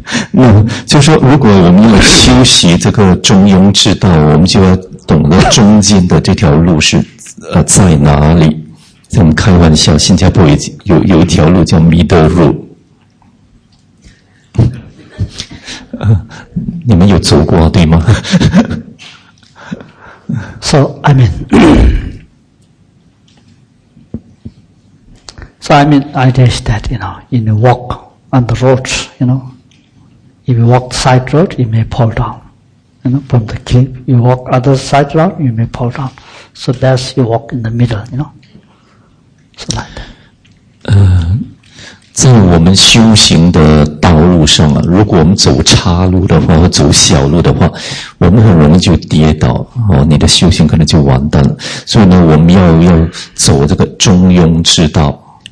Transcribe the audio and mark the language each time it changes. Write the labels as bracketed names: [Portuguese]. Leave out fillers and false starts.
[Chinese] 那就说如果我们要修习这个中庸之道，我们就要懂得中间的这条路是在哪里。在我们开玩笑，新加坡 有一条路叫弥德路，你们有走过对吗？ [English] So, I mean, I guess that, you know, in a walk on the road, you know, if you walk side road, you may fall down, you know, from the cliff. You walk other side road, you may fall down. So that's you walk in the middle, you know, so like that. [Chinese] 在我们修行的道路上啊，如果我们走岔路的话，或走小路的话，我们很容易就跌倒哦，你的修行可能就完蛋了。所以呢，我们要走这个中庸之道。